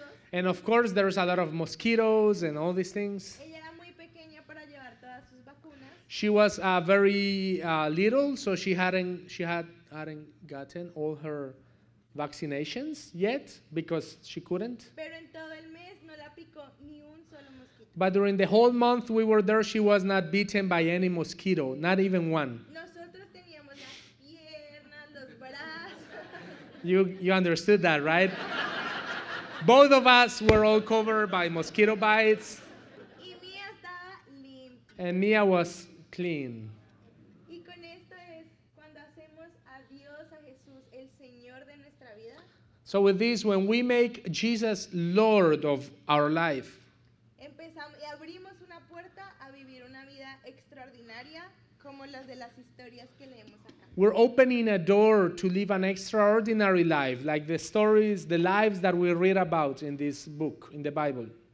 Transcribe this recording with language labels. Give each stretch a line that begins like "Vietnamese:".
English: And of course, there's a lot of mosquitoes and all these things.
Spanish: Ella era muy pequeña para llevar todas sus vacunas.
English: She was very little, so she hadn't gotten all her vaccinations yet because she couldn't.
Spanish: Pero en todo el mes no la picó ni un solo mosquito.
English: But during the whole month we were there, she was not bitten by any mosquito, not even one.
Spanish: Nosotros teníamos las piernas, los brazos.
English: You understood that, right? Both of us were all covered by mosquito bites.
Spanish: Y Mia estaba limpia.
English: And Mia was clean.
Spanish: Y con esto es cuando hacemos a Dios, a Jesús, el Señor de nuestra vida.
English: So with this, when we make Jesus Lord of our life,
Spanish: empezamos y abrimos una puerta a vivir una vida extraordinaria como las de las historias que leemos acá.
English: We're opening a door to live an extraordinary life, like the stories, the lives that we read about in this book, in the Bible.